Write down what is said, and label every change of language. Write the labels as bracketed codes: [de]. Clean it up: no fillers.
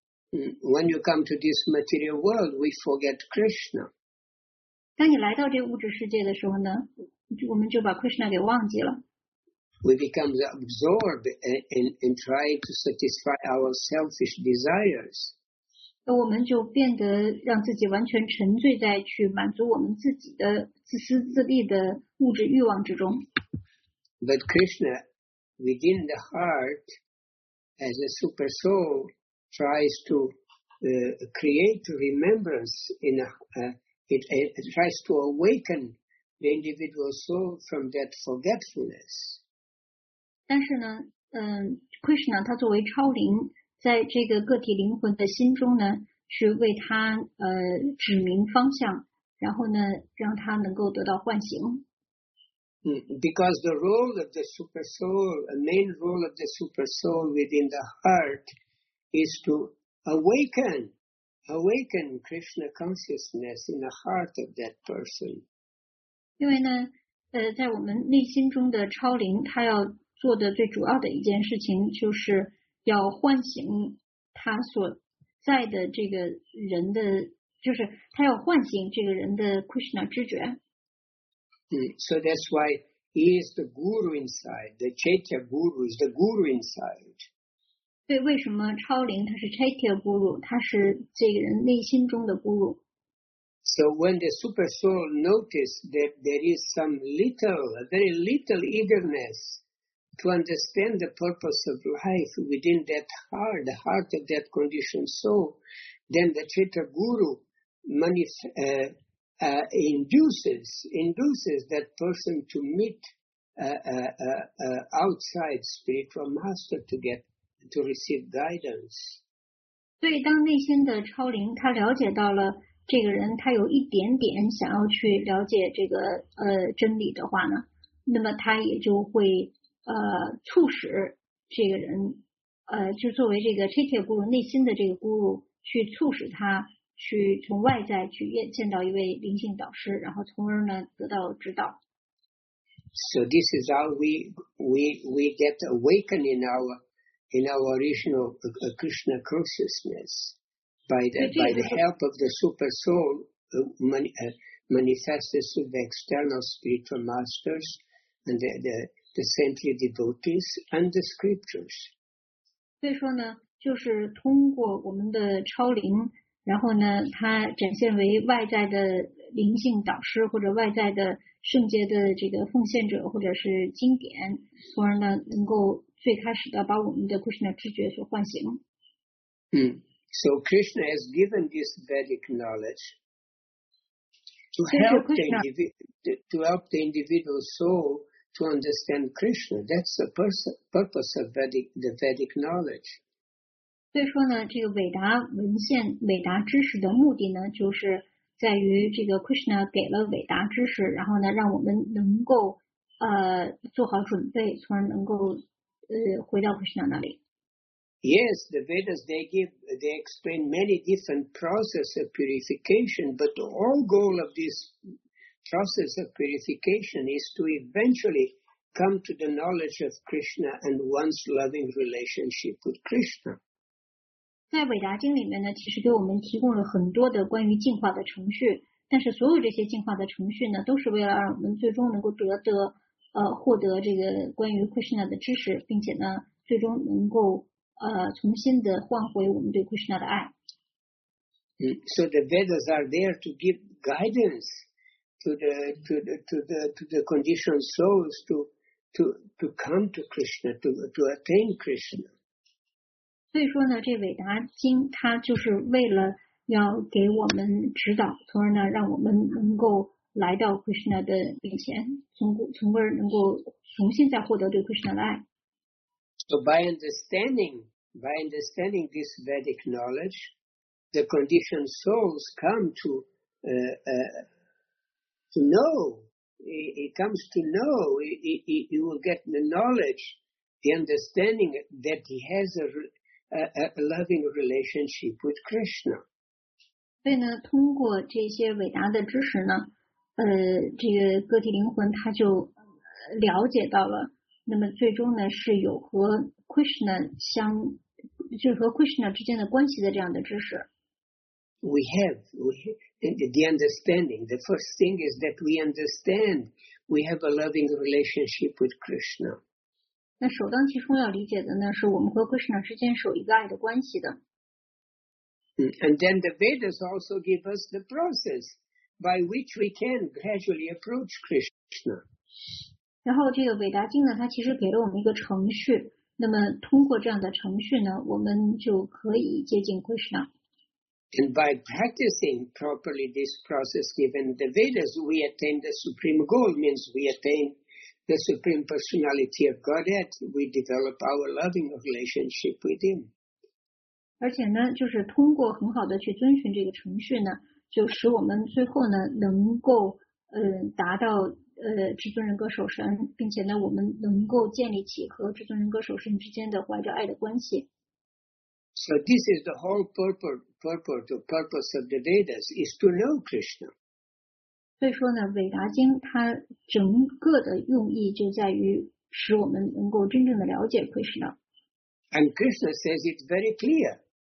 [en] When you come to this material world, we forget Krishna. [zh] 当你来到这物质世界的时候呢，我们就把 Krishna 给忘记了。 [en] We become absorbed and try to satisfy our selfish desires. [zh] 我们就变得让自己完全沉醉在去满足我们自己的自私自利的物质欲望之中。 [en] But Krishna, within the heart, as a super soul, tries to create remembrance in a, it tries to awaken the individual soul from that forgetfulness. [zh] 但是呢，Krishna 他作为超灵。在这个个体灵魂的心中呢，是为他指明方向，然后呢，让他能够得到唤醒。 [en] Because the role of the super soul, a main role of the super soul within the heart, is to awaken Krishna consciousness in the heart of that person. [zh] 因为呢，在我们内心中的超灵，他要做的最主要的一件事情就是。要唤醒他所在的这个人的，就是他要唤醒这个人的 Krishna 知觉。 [en] So that's why he is the guru inside. The Chaitya guru is the guru inside. [zh] 对，为什么超灵他是 Chaitya guru， 他是这个人内心中的 guru。 [en] So when the super soul notices that there is some little, very little eagerness. To understand the purpose of life within that heart, the heart of that conditioned soul, then the Chaitya Guru induces that person to meet outside spiritual master to receive guidance. [zh] 对，当内心的超灵他了解到了这个人，他有一点点想要去了解这个真理的话呢，那么他也就会。促使这个人就作为这个 Chaitya Guru 内心的这个 Guru 去促使他去从外在去见到一位灵性导师，然后从而呢得到指导。 [en] So this is how we get awakened in our original Krishna consciousness by the help of the super soul manifested through the external spiritual masters and the saintly devotees and the scriptures. [zh] 所以说呢，就是通过我们的超灵，然后呢，它展现为外在的灵性导师或者外在的圣洁的这个奉献者或者是经典，从而呢，能够最开始的把我们的 Krishna 知觉所唤醒。 [en] So Krishna has given this Vedic knowledge to help the individual soul. To understand Krishna, that's the purpose of the Vedic knowledge. [zh] 所以说呢，这个伟达文献、伟达知识的目的呢，就是在于这个 Krishna 给了伟达知识，然后呢，让我们能够做好准备，从而能够回到 Krishna 那里。 [en] Yes, the Vedas they explain many different processes of purification, but the whole goal of this. Process of purification is to eventually come to the knowledge of Krishna and one's loving relationship with Krishna. [zh] 在伟达经里面呢，其实给我们提供了很多的关于进化的程序，但是所有这些进化的程序呢，都是为了让我们最终能够获得这个关于 Krishna 的知识，并且呢，最终能够重新的换回我们对 Krishna 的爱。 [en] So the Vedas are there to give guidance. To the conditioned souls to come to Krishna to attain Krishna. [zh] 所以说呢，这伟达经它就是为了要给我们指导，从而呢让我们能够来到 Krishna 的面前，从而能够重新再获得对 Krishna 的爱。 [en] So by understanding this Vedic knowledge, the conditioned souls come to he will get the knowledge, the understanding that he has a loving relationship with Krishna. [zh] 所以呢，通过这些伟大的知识呢，这个个体灵魂他就了解到了，那么最终呢是有和 Krishna 相，就是和 Krishna 之间的关系的这样的知识。 [en] We have the understanding. The first thing is that we understand we have a loving relationship with Krishna. [zh] 那首当其冲要理解的呢，是我们和 Krishna 之间是有一个爱的关系的。 [en] And then the Vedas also give us the process by which we can gradually approach Krishna. [zh] 然后这个韦达经呢，它其实给了我们一个程序。那么通过这样的程序呢，我们就可以接近 Krishna。 [en] And by practicing properly this process given the Vedas, we attain the supreme goal, means we attain the supreme personality of Godhead. We develop our loving relationship with Him. [zh] 而且呢，就是通过很好的去遵循这个程序呢，就使我们最后呢能够达到至尊人格首神，并且呢我们能够建立起和至尊人格首神之间的怀着爱的关系。 [en] So this is the whole purpose of the Vedas is to know Krishna. [zh] 所以说呢，韦达经它整个的用意就在于使我们能够真正的了解 Krishna. [en] And Krishna says it very clear.